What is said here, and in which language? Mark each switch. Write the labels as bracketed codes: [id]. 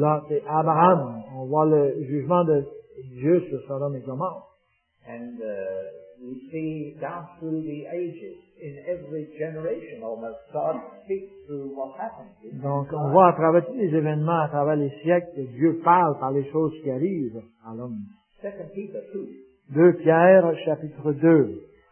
[fr] Lot et Abraham, on voit le jugement de Dieu sur Sodom et Gomorrah. [en] And we see down through the ages, in every generation almost, God speaks through what happens. [fr] Donc on voit à travers tous les événements, à travers les siècles, que Dieu parle par les choses qui arrivent à l'homme. [en] 2 Peter 2. [fr] 2 Pierre, chapitre 2.